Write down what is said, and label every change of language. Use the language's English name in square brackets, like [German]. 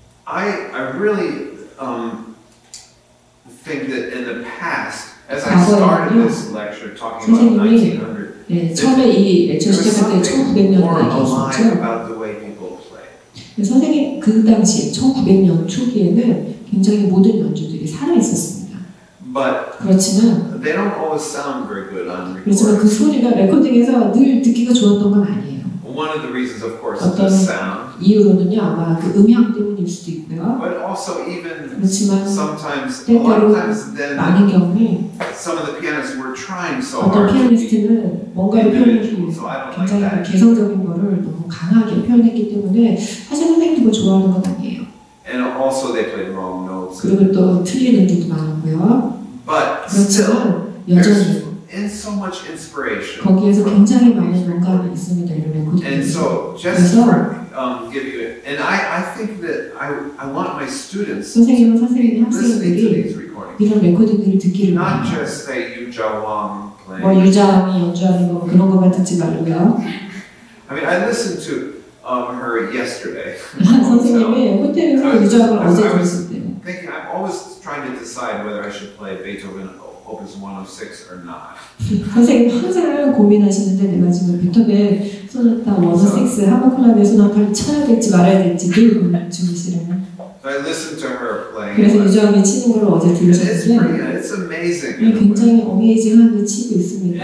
[English] I really think that in the past, as I started this lecture talking about 1900, [Korean] 예, 처음에 이 애초 시작할 때 1900년대에 계셨죠? [English] About the way people play. [Korean] 예, 선생님 그 당시 1900년 초기에는 굉장히 모든 연주들이 살아 있었습니다. [English] But [Korean] 그렇지만 [English] they don't always sound very good on recording. [Korean] 그렇지만 그 소리가 레코딩에서 늘 듣기가 좋았던 건 아니에요. [English] One of the reasons, of course, is the sound. [Korean] 이유로는요 아마 그 음향 때문일 수도 있고요. [English] But also even [Korean] 그렇지만, [English] sometimes, a lot of times, then [Korean] 많은 경우에 [English] some of the pianists were trying so [Korean] 어떤 [English] hard [Korean] 피아니스트는 뭔가를 표현하기 위해서 굉장히 [English] like [Korean] 개성적인 거를 너무 강하게 표현했기 때문에 사실 선생님도 뭐 좋아하는 건 아니에요. [English] And also they played wrong notes. [Korean] 그리고 또 틀린 음들도 많았고요. [English] But still, [Korean] 여전히 [English] and so much inspiration. [Korean] 거기에서 굉장히 많은 영감이 있습니다. 이런 곡들. [English] And so just for give you it. And I think that I want my students [Korean] 선생님은, [English] to [Korean] 선생님, [English] listening to these recordings. [Korean] 이런 레코딩들을 듣기를 [English] not [Korean] 바랍니다. [English] Just say Yuja Wang playing. [Korean] 뭐 유자왕이 연주하는 거 그런 것만 듣지 말고요. [English] I mean, I listened to her yesterday. [Korean] 선생님이 호텔에서 유자왕을 어제 들었을 때. [English] Thinking, I'm always trying to decide whether I should play Beethoven. Opus 106 or not. [Korean] 선생님 항상 고민하시는데 내가 지금 베토벤 소나타 106 하모클라비아 소나타를 쳐야 될지 말아야 될지 늘 고민 중이시라면. [English] I listened to her playing. [Korean] 그래서 유주왕이 치는 걸 어제 들으셨는데. [English] It's amazing. [Korean] 굉장히 어메이징한 그 치고 있습니다.